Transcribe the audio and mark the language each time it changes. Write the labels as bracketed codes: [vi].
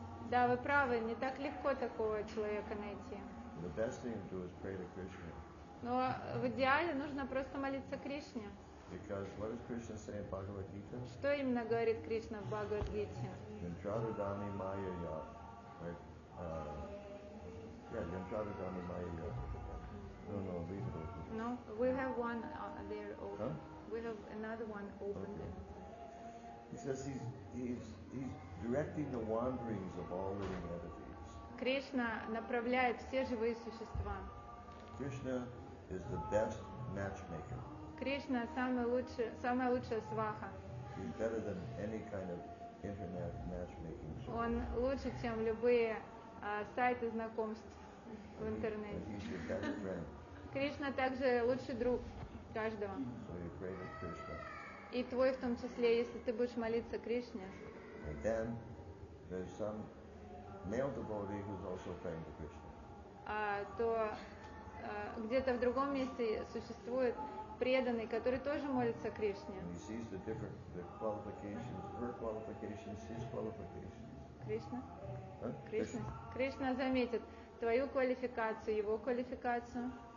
[ru] Да, вы правы, не так легко такого человека найти. [en] The best thing to do is pray to Krishna. [ru] Но в идеале нужно просто молиться Кришне. [en] Because what does Krishna say in Bhagavad Gita? [ru] Что именно говорит Кришна в Бхагавад Гите? [sa] Янтрадами майя, [en] right? Yeah, [sa] янтрадами майя. [en] No, no, leave it open. No, we have one there open. Huh? We have another one open. Okay. He says he's directing the wanderings of all living entities. [ru] Кришна направляет все живые существа. [en] Krishna is the best matchmaker. [ru] Кришна самая лучшая сваха. [en] He's better than any kind of internet matchmaking. [ru] Он лучше, чем любые сайты знакомств в интернете. [en] He's your best friend. [ru] Кришна также лучший друг каждого. [en] So you pray to Krishna. [ru] И твой в том числе, если ты будешь молиться Кришне. [en] And then there's some male devotee who's also praying to Krishna. [ru] Где-то в другом месте существует преданный, который тоже молится Кришне. [en] And he sees the different the qualifications, her qualifications, his qualifications. [ru] Кришна заметит твою квалификацию, его квалификацию.